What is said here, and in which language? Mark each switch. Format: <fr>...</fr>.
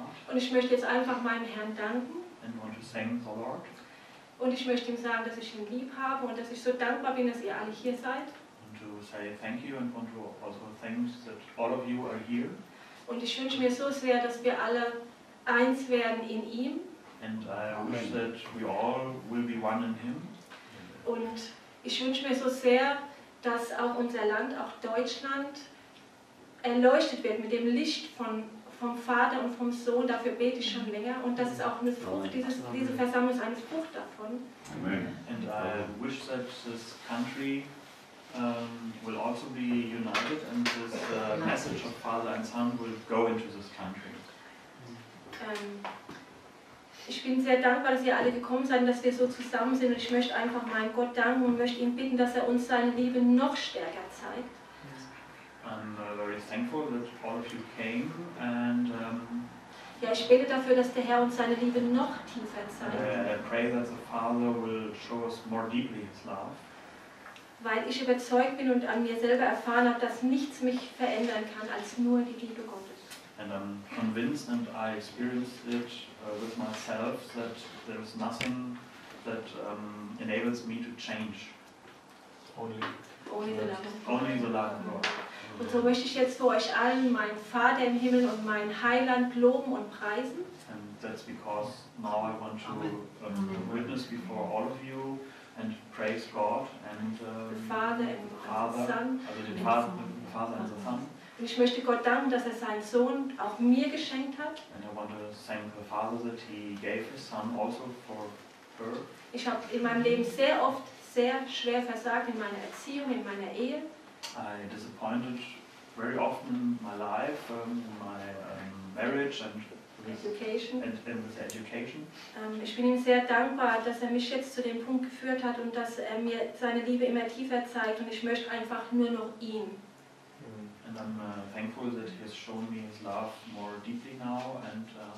<de>Und ich möchte jetzt einfach meinem Herrn danken.</de> <en>And want to thank the Lord.</en> <de>Und ich möchte ihm sagen, dass ich ihn lieb habe und dass ich so dankbar bin, dass ihr alle hier seid.</de> <en>And to say thank you and want to also thank that all of you are here.</en> <de>Und ich wünsche mir so sehr, dass wir alle eins werden in ihm.</de> <en>And I wish that we all will be one in him.</en> <de>Und ich wünsche mir so sehr, dass auch unser Land, auch Deutschland, erleuchtet wird mit dem Licht von vom Vater und vom Sohn, dafür bete ich schon länger und das ist auch eine Frucht, diese Versammlung ist eine Frucht davon. Amen.</de> <en>And I wish that this country will also be united and this message of Father and Son will go into this country.</en> <de>Ich bin sehr dankbar, dass ihr alle gekommen seid, dass wir so zusammen sind und ich möchte einfach meinem Gott danken und möchte ihn bitten, dass er uns seine Liebe noch stärker zeigt.</de> <en>I'm very thankful that all of you came and</en> <de>ja, ich bete dafür, dass der Herr uns seine Liebe noch tiefer zeigt.</de> <en>I pray that the Father will show us more deeply his love.</en> <de>Weil ich überzeugt bin und an mir selber erfahren habe, dass nichts mich verändern kann als nur die Liebe Gottes.</de> <en>And I'm convinced and I experienced it with myself that there is nothing that enables me to change. Only the love of God.</en> <de>Und so möchte ich jetzt vor euch allen meinen Vater im Himmel und meinen Heiland loben und preisen.</de> <en>And that's because now I want to witness before all of you and praise God and the Father and the Son.</en> <de>Und ich möchte Gott danken, dass er seinen Sohn auch mir geschenkt hat.</de> <en>And I want to thank the Father that he gave his Son also for her.</en> <de>Ich habe in meinem Leben sehr oft sehr schwer versagt in meiner Erziehung, in meiner Ehe.</de> <en>I disappointed very often in my life, in my marriage and education.</en> <de>Ich bin ihm sehr dankbar, dass er mich jetzt zu dem Punkt geführt hat und dass er mir seine Liebe immer tiefer zeigt und ich möchte einfach nur noch ihn.</de> <en>And I'm thankful that he has shown me his love more deeply now and</en>